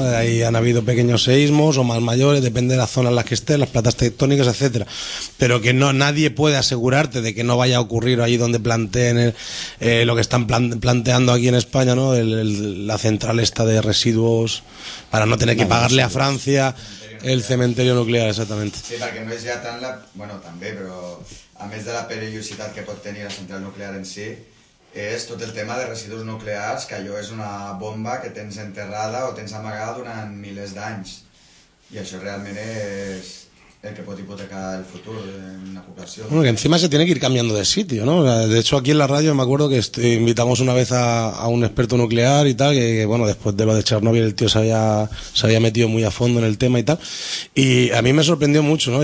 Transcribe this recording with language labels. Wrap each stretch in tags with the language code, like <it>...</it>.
<es>Ahí han habido pequeños seísmos o más mayores, depende de las zonas en las que estés, las platas tectónicas, etcétera. Pero que no, nadie puede asegurarte de que no vaya a ocurrir ahí donde planteen lo que están planteando aquí en España, ¿no? La central esta de residuos para no tener que pagarle a Francia el cementerio nuclear, exactamente.</es> <ca>Sí, perquè no és ja tant la... Bueno, també, però a més de la perillositat que pot tenir la central nuclear en si, és tot el tema de residus nuclears, que allò és una bomba que tens enterrada o tens amagada durant milers d'anys. I això realment és...</ca> <es>el que puede hipotecar el futuro de una población. Bueno, que encima se tiene que ir cambiando de sitio, ¿no? De hecho, aquí en la radio me acuerdo que invitamos una vez a un experto nuclear y tal, que bueno, después de lo de Chernóbil, el tío se había metido muy a fondo en el tema y tal, y a mí me sorprendió mucho, ¿no?</es>